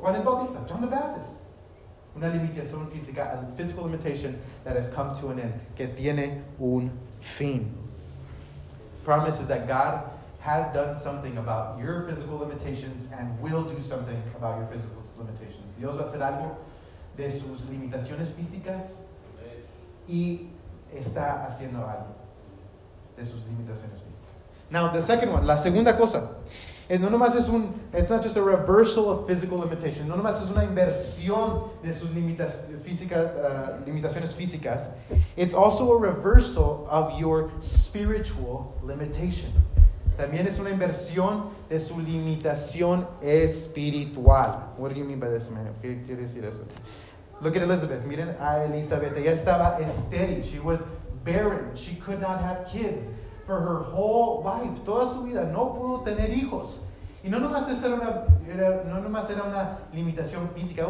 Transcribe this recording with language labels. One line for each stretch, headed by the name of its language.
Spanish: Juan el Bautista, John the Baptist. Una limitación física,
English: a physical limitation that has come to an end,
Spanish: que tiene un fin.
English: Promises that God has done something about your physical limitations and will do something about your physical limitations.
Spanish: Dios va a hacer algo de sus limitaciones físicas y está haciendo algo. De sus limitaciones físicas.
English: Now the second one,
Spanish: la segunda cosa, es no nomás es un,
English: it's not just a reversal of physical limitation,
Spanish: no nomás es una inversión de sus limitaciones físicas,
English: it's also a reversal of your spiritual limitations.
Spanish: También es una inversión de su limitación espiritual.
English: What do you mean by this, man?
Spanish: ¿Qué quiere decir eso?
English: Look at Elizabeth.
Spanish: Miren a Elizabeth. Ella estaba estéril.
English: She was barren. She could not have kids for her whole life.
Spanish: Toda su vida no pudo tener hijos. Y no nomás era una, no nomás era una limitación física.